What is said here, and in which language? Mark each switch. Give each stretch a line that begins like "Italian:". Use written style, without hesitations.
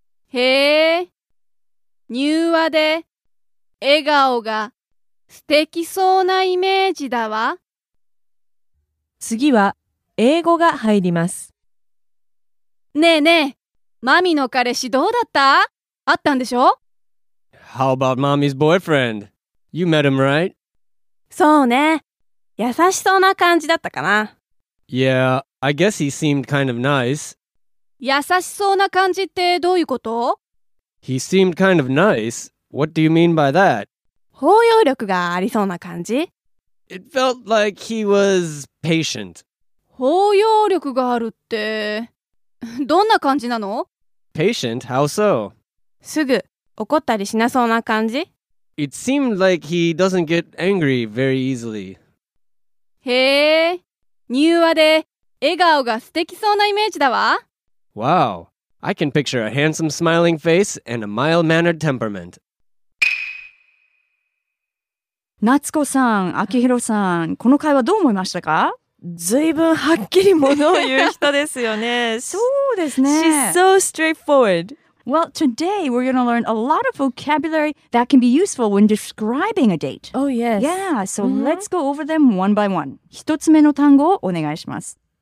Japanese: へえ、柔和で笑顔が素敵そうなイメージだわ。次は英語が入ります。ねえねえ、マミの彼氏どうだった？あったんでしょ？
English: How about mommy's boyfriend? You met him, right?
Japanese: そうね、優しそうな感じだったかな。
English: Yeah, I guess he seemed kind of nice.
Japanese: 優しそうな感じってどういうこと？
English: He seemed kind of nice. What do you mean by that?
Japanese: 包容力がありそうな感じ。
English: It felt like he was patient.
Japanese: 包容力があるってどんな感じなの？
English: Patient? How so?
Japanese: すぐ怒ったりしなそうな感じ。
English: It seemed like he doesn't get angry very easily.
Japanese: へえ、柔和で笑顔が素敵そうなイメージだわ。
English: Wow, I can picture a handsome smiling face and a mild-mannered temperament.
Japanese: 夏子さん、秋広さん、この会話どう思いましたか？ずいぶんはっきりものを言う人ですよね。そうですね。
English: She's so straightforward. Well, today we're going to learn a lot of vocabulary that can be useful when describing a date. Oh, yes. Yeah, so let's go over them one by one.
Japanese: 一つ目の単語をお願いします。